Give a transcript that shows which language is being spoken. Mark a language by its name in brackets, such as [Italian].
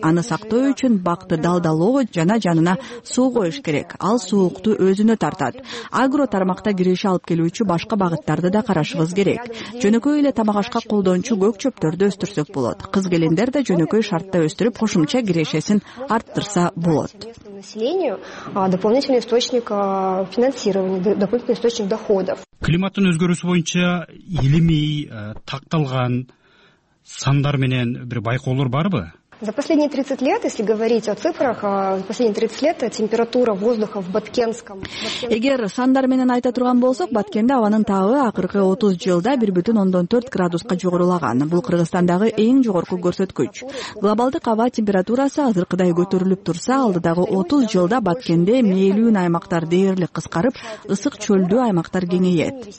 [Kyrgyz] Аны сактоо үчүн бакты далдалоо жана жанына суу коюш керек. Ал суукту өзүнө тартат. Агро тармакта кириш алып келүүчү башка багыттарды да карашыбыз керек. Жөнөкөй эле тамак ашка колдончу көк чөптөрдү өстүрсөк болот. Кыз келиндер да жөнөкөй шартта өстүрүп, кошумча кирешесин арттырса болот. [Russian] Населению дополнительный источник финансирования, дополнительный источник доходов. [Kyrgyz] Климаттын өзгөрүүсү боюнча илимий такталган сандар менен бир байкоолор барбы? [Russian] За последние 30 лет, если говорить о цифрах, за последние 30 лет температура воздуха в Баткенском... [Kyrgyz] Эгер сандар менен айта турган болсок, Баткенде абанын табы акыркы 30 жылда 1,4 градуска жогорулаган. Бул Кыргызстандагы эң жогорку көрсөткүч. Глобалдык аба температурасы азыркыдай көтөрүлүп турса, алдыдагы 30 жылда Баткенде мээлүүн аймактар дээрлик кыскарып, ысык чөлдүү аймактар кеңейет.